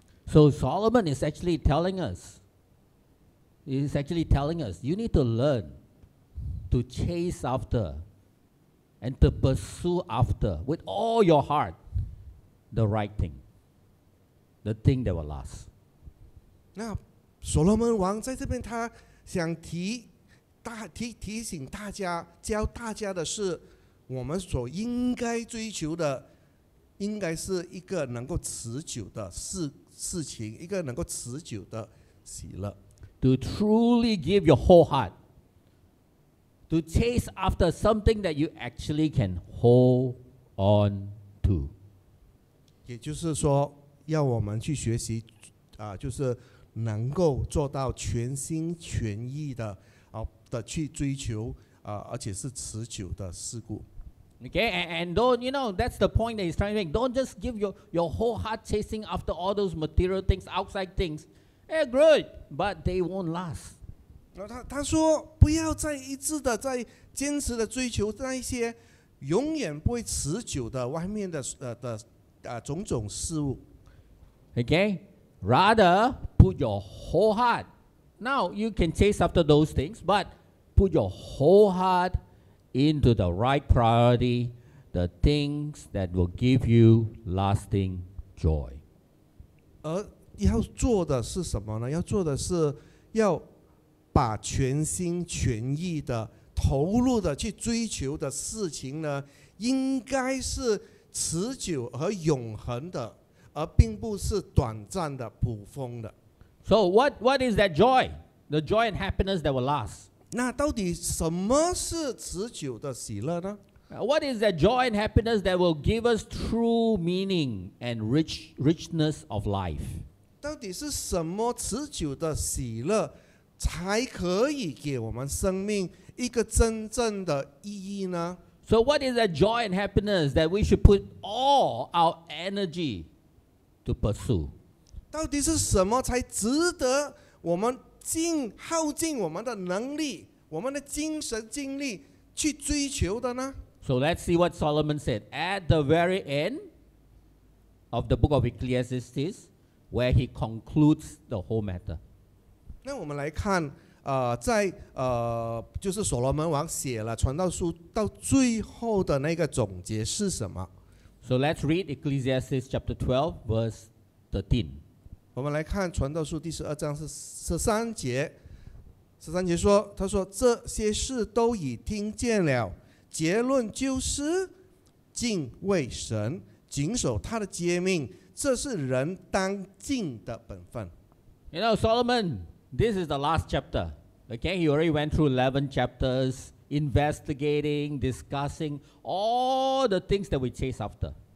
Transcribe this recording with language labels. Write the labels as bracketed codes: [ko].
[en] So Solomon is actually telling us, you need to learn to chase after and to pursue after with all your heart the right thing, the thing that will last. [zh] 那所罗门王在这边他想提醒大家，教大家的是我们所应该追求的应该是一个能够持久的事情，一个能够持久的喜乐。 [en] To truly give your whole heart, to chase after something that you actually can hold on to. [zh] 也就是说，要我们去学习，就是能够做到全心全意的，的去追求，而且是持久的事故。 [en] Okay, and don't, you know, that's the point that he's trying to make. Don't just give your whole heart chasing after all those material things, outside things. Yeah, great, but they won't last. [zh] 他说不要再一直的在坚持的追求那一些永远不会持久的外面的种种事物。 [en] Okay, rather put your whole heart. Now you can chase after those things, but put your whole heart. Into the right priority, the things that will give you lasting joy. [zh] 而要做的是什么呢？要做的是要把全心全意的投入的去追求的事情呢，应该是持久和永恒的，而并不是短暂的、普风的。 [en] So what is that joy? The joy and happiness that will last. [zh] 那到底什么是持久的喜乐呢？ [en] What is that joy and happiness that will give us true meaning and richness of life? [zh] 到底是什么持久的喜乐才可以给我们生命一个真正的意义呢？ [en] So what is that joy and happiness that we should put all our energy to pursue? [zh] 到底是什么才值得我们耗尽我们的能力，我们的精神精力去追求的呢？ [en] So let's see what Solomon said at the very end of the book of Ecclesiastes, where he concludes the whole matter. [zh] 那我们来看，在就是所罗门王写了传道书到最后的那个总结是什么？ [en] So let's read Ecclesiastes chapter 12, verse 13. [zh] 我们来看传道书第十二章是十三节，十三节说，他说这些事都已听见了，结论就是敬畏神，谨守他的诫命，这是人当尽的本分。 [en] You know, Solomon, this is the last chapter. Okay, he already went through 11 chapters investigating, discussing all the things that we chase after.